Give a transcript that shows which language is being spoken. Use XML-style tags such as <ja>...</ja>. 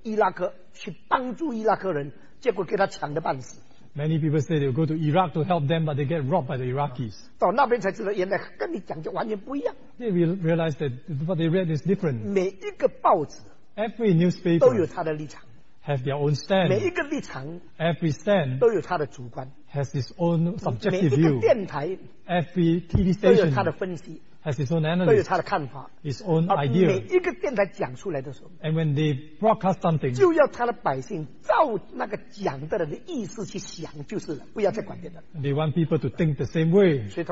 <zh>所以很多人就哇到这个伊拉克去帮助伊拉克人, 结果给他抢得半死。</zh> <en>Many people say they'll go to Iraq to help them, but they get robbed by the Iraqis.</en> <zh>到那边才知道原来跟你讲就完全不一样。</zh> <en>They realize that what they read is different.</en> <zh>每一个报纸,</zh> <en>every newspaper,</en> <zh>都有他的立场,</zh> <en>have their own stand.</en> <zh>每一个立场,</zh> <en>every stand,</en> <zh>都有他的主观,</zh> <en>has its own subjective view.</en> <zh>每一个电台,</zh> <en>every TV station,</en> <zh>都有他的分析,</zh> <en>has its own analysis,</en> <zh>都有他的看法,</zh> <en>its own idea.</en> <zh>每一个电台讲出来的时候,</zh> <en>and when they broadcast something,</en> <zh>就要他的百姓照那个讲的人的意思去想就是了，不要再管别人。</zh> <en>They want people to think the same way.</en>